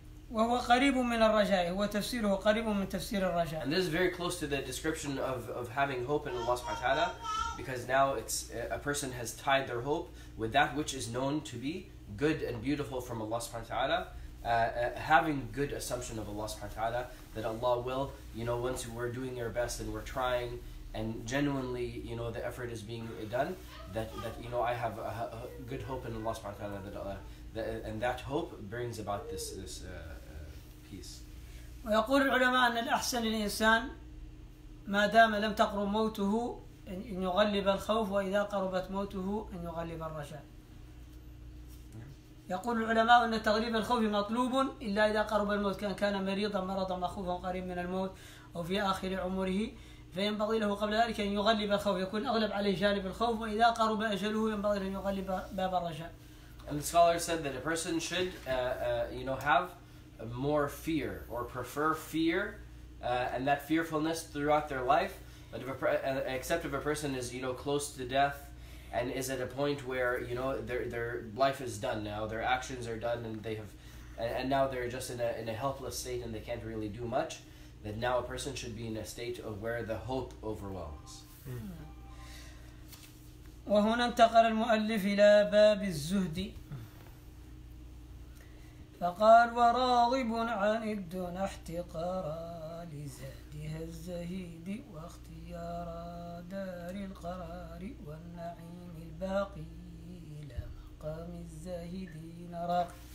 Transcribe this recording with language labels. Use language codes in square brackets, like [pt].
[ar] وهو قريب من الرجاء وتفسيره قريب من تفسير الرجاء. [en] And this is very close to the description of having hope in Allah Subhanahu wa Taala, because now it's a person has tied their hope with that which is known to be good and beautiful from Allah Subhanahu wa Taala. Having good assumption of Allah Subhanahu wa Taala, that Allah will, once we're doing our best and we're trying and genuinely, you know, the effort is being done, that you know, I have a good hope in Allah subhanahu wa ta'ala, and that hope brings about this peace. [ar] ويقول العلماء أن الأحسن للإنسان ما دام لم تقرب موته أن يغلب الخوف وإذا قربت موته أن يغلب الرجاء. يقول العلماء أن تغليب الخوف مطلوب إلا إذا قرب الموت، كان مريضا مرضا مخوفا قريبا من الموت أو في آخر عمره، فينبغي له قبل ذلك أن يغلب الخوف، يكون أغلب عليه جانب الخوف، وإذا قرب أجله ينبغي أن يغلب باب الرجاء. [en] And the scholar said that a person should you know, have more fear or prefer fear and that fearfulness throughout their life, but except if a person is, you know, close to death and is at a point where, you know, their life is done now, their actions are done, and they have, and now they're just in a helpless state and they can't really do much, that now a person should be in a state of where the hope overwhelms. [ar] وهنا انتقل المؤلف إلى باب الزهد فقال وراغب عن الدنيا احتقارا لزهدها الزهيد واختيارا دار القرار والنعيم باقي إلى مقام الزاهدين راق